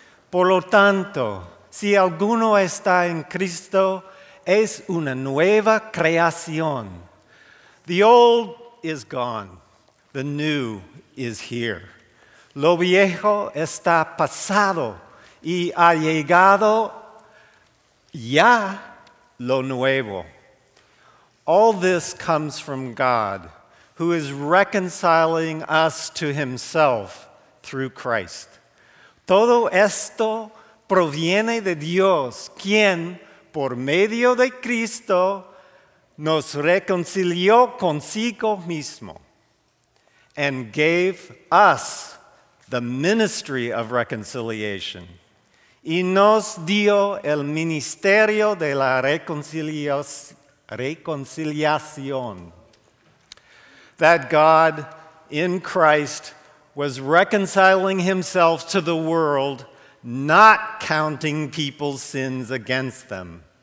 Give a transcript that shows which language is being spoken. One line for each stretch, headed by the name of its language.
Spanish: Por lo tanto, si alguno está en Cristo, es una nueva creación.
English: The old is gone. The new is here.
Spanish: Lo viejo está pasado y ha llegado ya lo nuevo.
English: All this comes from God, who is reconciling us to himself through Christ.
Spanish: Todo esto proviene de Dios, quien, por medio de Cristo, nos reconcilió consigo mismo
English: and gave us the ministry of reconciliation.
Spanish: Y nos dio el ministerio de la reconciliación.
English: That God in Christ was reconciling himself to the world, not counting people's sins against them.